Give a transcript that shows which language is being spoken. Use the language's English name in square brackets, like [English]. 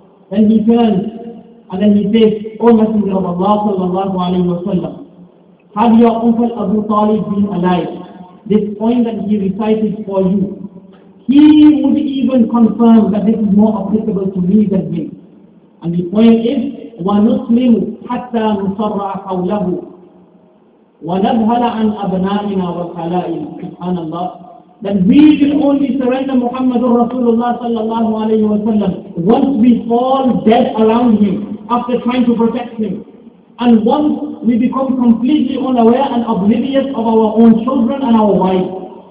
[English] Then he turns and then he says, "O Messenger of Allah sallallahu alayhi wa sallam, have your uncle Abu Talib been alive? This point that he recited for you, he would even confirm that this is more applicable to me than him. And the point is, [Arabic] وَنُسْلِمُ حَتَّى نُصَرَّعَ حَوْلَهُ وَنَبْهَلَ عَنْ أَبْنَائِنَا وَخَلَائِنَا." [English] Subhanallah. Then we will only surrender Muhammadur Rasulullah sallallahu alayhi wa sallam once we fall dead around him after trying to protect him. And once we become completely unaware and oblivious of our own children and our wives.